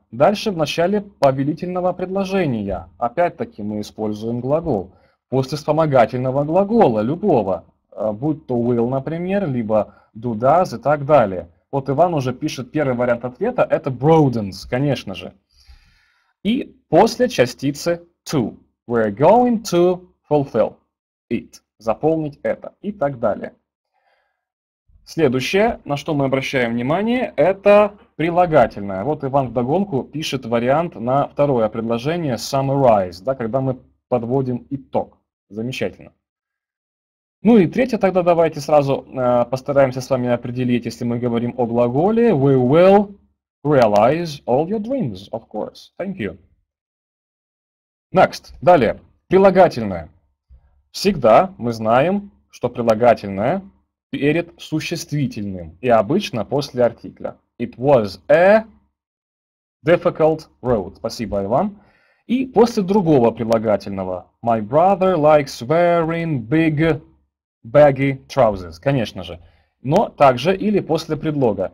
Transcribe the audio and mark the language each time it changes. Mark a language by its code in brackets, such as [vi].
[ru] Дальше в начале повелительного предложения. Опять-таки мы используем глагол. После вспомогательного глагола, любого, будь то will, например, либо do, does и так далее. Вот Иван уже пишет первый вариант ответа, это broadens, конечно же. И после частицы to. [en] We're going to fulfill it. [ru] Заполнить это и так далее. Следующее, на что мы обращаем внимание, это прилагательное. Вот Иван вдогонку пишет вариант на второе предложение summarize, да, когда мы подводим итог. Замечательно. Ну и третье тогда давайте сразу постараемся с вами определить, если мы говорим о глаголе. [en] We will realize all your dreams, of course. Thank you. Next. [ru] Далее. Прилагательное. Всегда мы знаем, что прилагательное перед существительным. И обычно после артикля. [en] It was a difficult road. [ru] Спасибо, Иван. И после другого прилагательного. [en] My brother likes wearing big baggy trousers. [ru] Конечно же. Но также или после предлога.